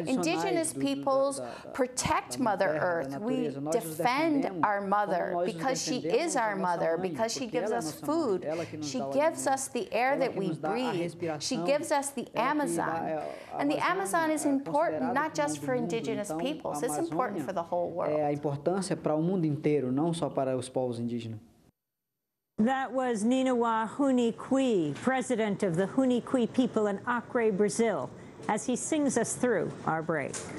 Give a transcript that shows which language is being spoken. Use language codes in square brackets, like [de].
[en] Indigenous peoples protect Mother Earth. We defend our mother because she is our mother, because she gives us food. She gives us the air that we breathe. She gives us the Amazon. And the Amazon is important not just for indigenous peoples. It's important for the whole world. [pt] É a importância para o mundo inteiro, não só para os povos indígenas. [en] That was Ninawa Hunikui, president of the Hunikui people in Acre, Brazil, as he sings us through our break.